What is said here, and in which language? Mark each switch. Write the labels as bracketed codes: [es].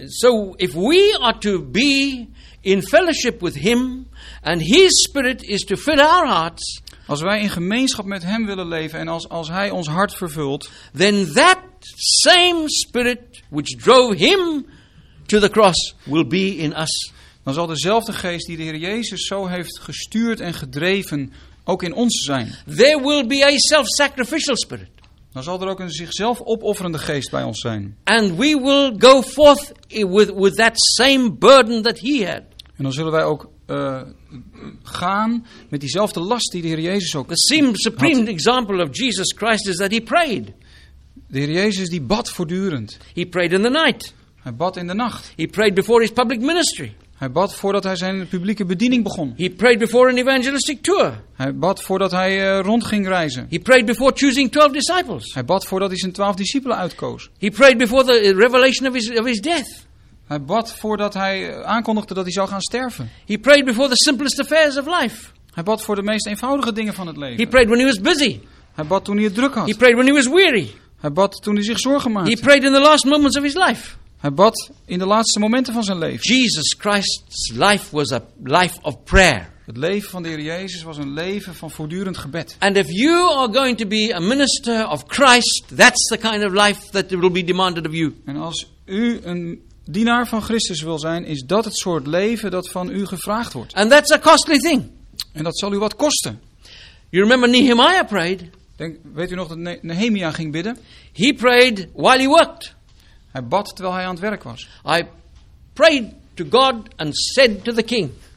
[en] So if we are to be in fellowship with him and his spirit is to fill our hearts, [nl] als wij in gemeenschap met hem willen leven en als hij ons hart vervult, [en] then that same spirit which drove him to the cross will be in us. [nl] Dan zal dezelfde geest die de Heer Jezus zo heeft gestuurd en gedreven ook in ons zijn. [en] There will be a self-sacrificial spirit. [nl] Dan zal er ook een zichzelf opofferende geest bij ons zijn. [en] And we will go forth with that same burden that he had. [nl] En dan zullen wij ook gaan met diezelfde last die de Heer Jezus ook had. [en] The supreme example of Jesus Christ is that he prayed. [nl] De Heer Jezus die bad voortdurend. [en] He prayed in the night. [nl] Hij bad in de nacht. [en] He prayed before his public ministry. [nl] Hij bad voordat hij zijn publieke bediening begon. [en] He prayed before an evangelistic tour. [nl] Hij bad voordat hij rond ging reizen. [en] He prayed before choosing 12 disciples. [nl] Hij bad voordat hij zijn 12 discipelen uitkoos. [en] He prayed before the revelation of his death. [nl] Hij bad voordat hij aankondigde dat hij zou gaan sterven. [en] He prayed before the simplest affairs of life. [nl] Hij bad voor de meest eenvoudige dingen van het leven. [en] He prayed when he was busy. [nl] Hij bad toen hij het druk had. [en] He prayed when he was weary. [nl] Hij bad toen hij zich zorgen maakte. [en] He prayed in the last moments of his life. [nl] Hij bad in de laatste momenten van zijn leven. [en] Jesus Christ's life was a life of prayer. [nl] Het leven van de Heer Jezus was een leven van voortdurend gebed. [en] And if you are going to be a minister of Christ, that's the kind of life that will be demanded of you. [nl] En als u een dienaar van Christus wil zijn, is dat het soort leven dat van u gevraagd wordt. [en] And that's a costly thing. [nl] En dat zal u wat kosten. [en] You remember Nehemiah prayed? [nl] Weet u nog dat Nehemia ging bidden? [en] He prayed while he worked. [nl] Hij bad terwijl hij aan het werk was. [en] I prayed to God and said to the king.